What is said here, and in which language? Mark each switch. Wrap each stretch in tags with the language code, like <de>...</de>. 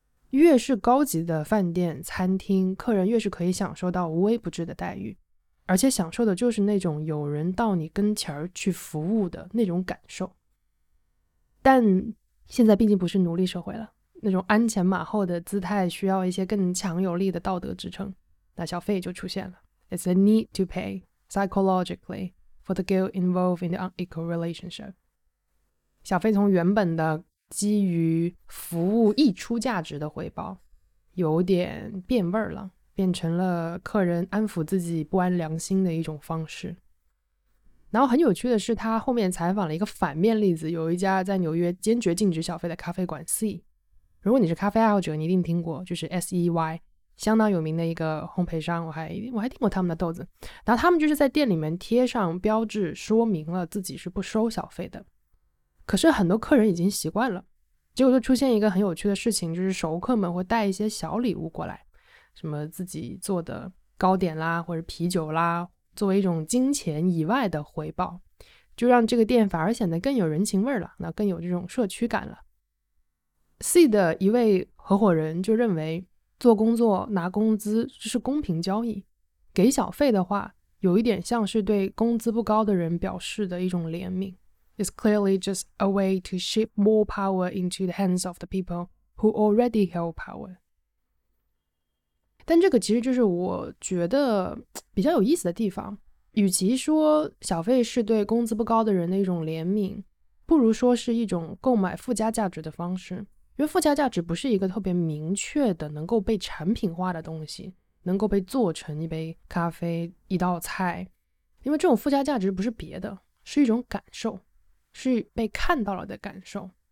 <zh>越是高级的饭店餐厅，客人越是可以享受到无微不至的待遇，而且享受的就是那种有人到你跟前儿去服务的那种感受。但现在毕竟不是奴隶社会了，那种鞍前马后的姿态需要一些更强有力的道德支撑，那小费就出现了。</zh> <en>It's a need to pay psychologically for the guilt involved in the unequal relationship.</en> <zh>小费从原本的基于服务溢出价值的回报，有点变味了，变成了客人安抚自己不安良心的一种方式。然后很有趣的是，他后面采访了一个反面例子，有一家在纽约坚决禁止小费的咖啡馆 C。如果你是咖啡爱好者，你一定听过，就是 SEY， 相当有名的一个烘焙商，我还听过他们的豆子。然后他们就是在店里面贴上标志，说明了自己是不收小费的，可是很多客人已经习惯了。结果就出现一个很有趣的事情，就是熟客们会带一些小礼物过来，什么自己做的糕点啦，或者啤酒啦，作为一种金钱以外的回报，就让这个店反而显得更有人情味了，那更有这种社区感了。 C 的一位合伙人就认为，做工作拿工资这是公平交易，给小费的话有一点像是对工资不高的人表示的一种怜悯。</zh> <en>It's clearly just a way to shift more power into the hands of the people who already hold power。</en> <zh>但这个其实就是我觉得比较有意思的地方，与其说小费是对工资不高的人的一种怜悯，不如说是一种购买附加价值的方式。因为附加价值不是一个特别明确的能够被产品化的东西，能够被做成一杯咖啡、一道菜，因为这种附加价值不是别的，是一种感受，是被看到了的感受。</zh>